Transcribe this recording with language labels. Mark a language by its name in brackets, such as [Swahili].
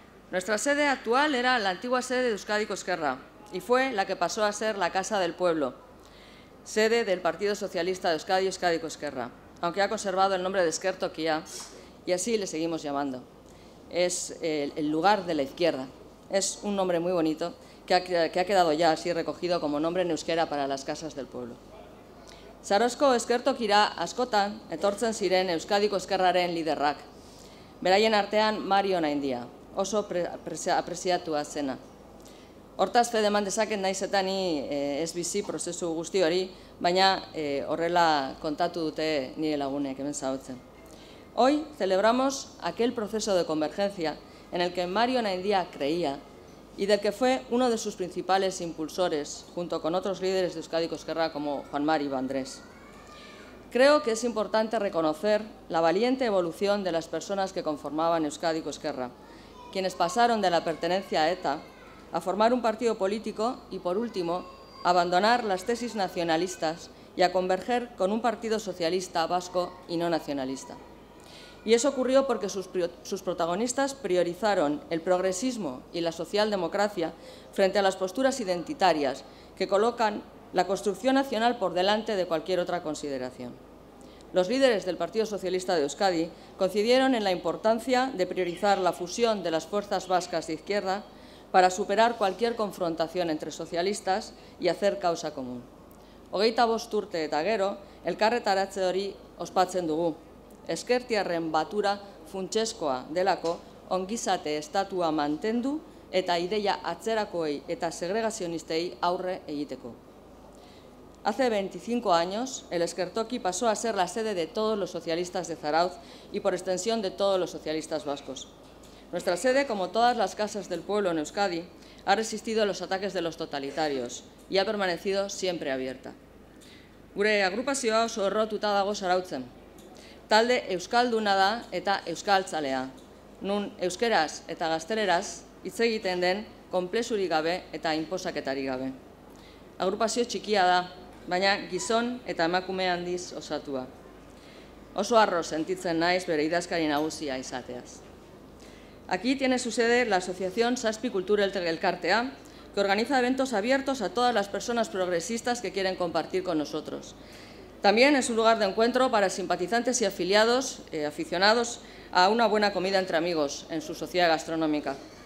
[Spanish] Nuestra sede actual era la antigua sede de Euskadiko Ezkerra y fue la que pasó a ser la Casa del Pueblo, sede del Partido Socialista de Euskadi, Euskadiko Ezkerra, aunque ha conservado el nombre de Ezkertokia y así le seguimos llamando. Es el lugar de la izquierda. Es un nombre muy bonito que ha quedado ya así recogido como nombre en euskera para las casas del pueblo. [Basque] Sarosko Ezkertokira askotan etortzen ziren Euskadiko Ezkerraren liderrak. Beraien artean Mario Naindia, oso apreziatua zena. Hortaz fede eman dezaket naiz eta ni ez bizi prozesu guzti hori, baina horrela kontatu dute nire lagunek hemen zaudetzen. [Spanish] Hoy celebramos aquel proceso de convergencia en el que Mario Naindia creía y del que fue uno de sus principales impulsores, junto con otros líderes de Euskadiko Ezkerra como Juan Mari Vandrés. Creo que es importante reconocer la valiente evolución de las personas que conformaban Euskadiko Ezkerra, quienes pasaron de la pertenencia a ETA a formar un partido político y, por último, abandonar las tesis nacionalistas y a converger con un partido socialista vasco y no nacionalista. Y eso ocurrió porque sus protagonistas priorizaron el progresismo y la socialdemocracia frente a las posturas identitarias que colocan la construcción nacional por delante de cualquier otra consideración. Los líderes del Partido Socialista de Euskadi coincidieron en la importancia de priorizar la fusión de las fuerzas vascas de izquierda para superar cualquier confrontación entre socialistas y hacer causa común. [Basque] Hogeita bost urte eta gero, elkarretaratze hori ospatzen dugu. Ezkertiarren batura funtsezkoa delako ongizate estatua mantendu eta ideia atzerakoei eta segregazionistei aurre egiteko. [Spanish] Hace 25 años, el Ezkertoki pasó a ser la sede de todos los socialistas de Zarauz y por extensión de todos los socialistas vascos. Nuestra sede, como todas las casas del pueblo en Euskadi, ha resistido a los ataques de los totalitarios y ha permanecido siempre abierta. [Basque] Gure agrupazioa oso errotuta dago Zarautzen. Talde euskalduna da eta euskaltzalea, nun euskeraz eta gazteleraz hitz egiten den konplexurik gabe eta inposaketarik gabe. Agrupazio txikia da, baina gizon eta emakume handiz osatua. Oso harro sentitzen naiz bere idazkari nagusia izateaz. [Spanish] Aquí tiene su sede la Asociación Zazpi Kultur Elkartea, que organiza eventos abiertos a todas las personas progresistas que quieren compartir con nosotros. También es un lugar de encuentro para simpatizantes y afiliados, aficionados a una buena comida entre amigos en su sociedad gastronómica.